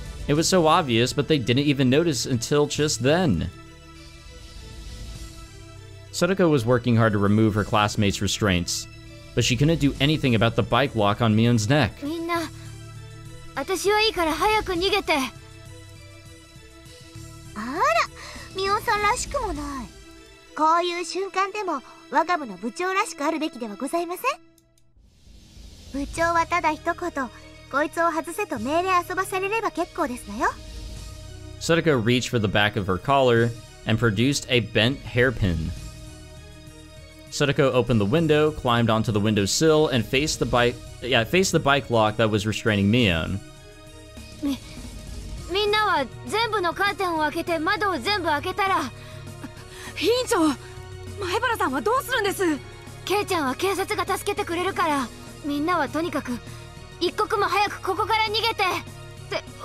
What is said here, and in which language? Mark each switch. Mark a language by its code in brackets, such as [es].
[en] It was so obvious, but they didn't even notice until just then. Setoko was working hard to remove her classmates' restraints, but she couldn't do anything about the bike lock on Mion's neck. Everyone, I'm fine, so hurry up and run. [ja] Ara, Mion-san らしくもない。こういう瞬間でも、我が部の部長らしくあるべきではございません。部長はただ一言、こいつを外せと命令遊ばされれば結構ですのよ。 [en] Setoko reached for the back of her collar and produced a bent hairpin. Setoko opened the window, climbed onto the window sill, and faced the bike lock that was restraining Mion. [ja] みんなは全部のカーテンを開けて窓を全部開けたら、委員長。前原さんはどうするんです？ケイちゃんは警察が助けてくれるから、みんなはとにかく一刻も早くここから逃げてって。